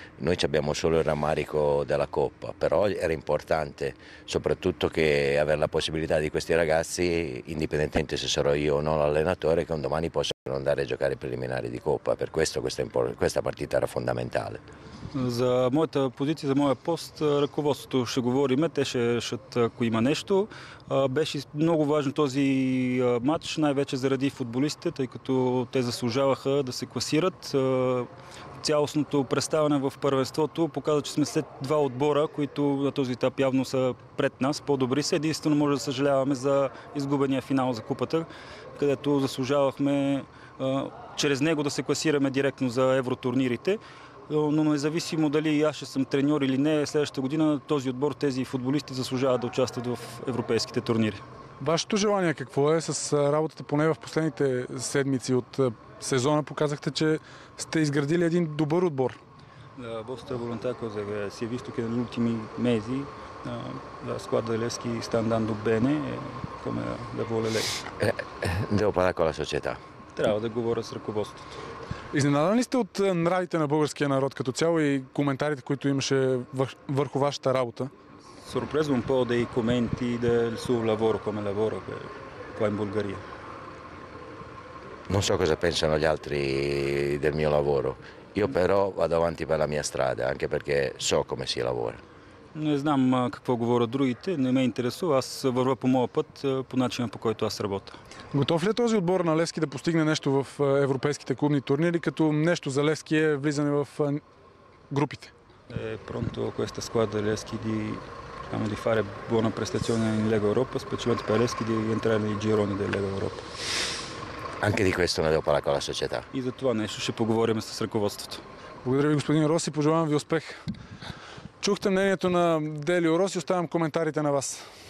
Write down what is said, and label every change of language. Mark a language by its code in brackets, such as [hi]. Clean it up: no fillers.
[it] Noi abbiamo solo il rammarico della Coppa, però era importante soprattutto che avere la possibilità di questi ragazzi, indipendentemente se sarò io o no l'allenatore, che un domani possano andare a giocare i preliminari di Coppa. Per questo questa partita era fondamentale. [bg] За моята позиция, за моя пост, ръководството ще говорим, те ще решат ако има нещо. Беше много важен този матч, най-вече заради футболистите, тъй като те заслужаваха да се класират. Цялостното представяне в първенството показва, че сме след два отбора, които на този етап явно са пред нас, по-добри са. Единствено може да съжаляваме за изгубения финал за купата, където заслужавахме чрез него да се класираме директно за евротурнирите. Но независимо дали аз ще съм треньор или не, следващата година този отбор, тези футболисти заслужават да участват в европейските турнири. Вашето желание какво е с работата поне в последните седмици от сезона? Показахте, че сте изградили един добър отбор. [it] Да, vostra volontà cosa è? Si è visto che negli ultimi mesi la squadra di Leschi sta andando bene come la vuole lei. Devo parlare con la società. [bg] Трябва да говоря с ръководството. Изненадан ли сте от нравите на българския народ като цяло и коментарите, които имаше върху вашата работа? [it] Surpreso un po' dei commenti del suo lavoro come lavoro qua in Bulgaria. Non so cosa pensano gli altri del mio lavoro. Io però vado avanti per la mia strada, anche perché so come si lavora. [bg] Не знам какво говорят другите, не ме интересува. Аз вървя по моя път, по начина по който аз работя. Готов ли е този отбор на Левски да постигне нещо в европейските клубни турнири, като нещо за Левски е влизане в групите? [it] Pronto questa squadra di Levski di diciamo di fare buona prestazione in Lega Europa, specialmente per Levski di entrare nei gironi della Lega Europa. Anche di questo ne devo parlare con la società. [bg] И за това нещо ще поговорим с ръководството. Благодаря ви, господин Роси, пожелавам ви успех. Чухте мнението на Делио Роси, оставям коментарите на вас.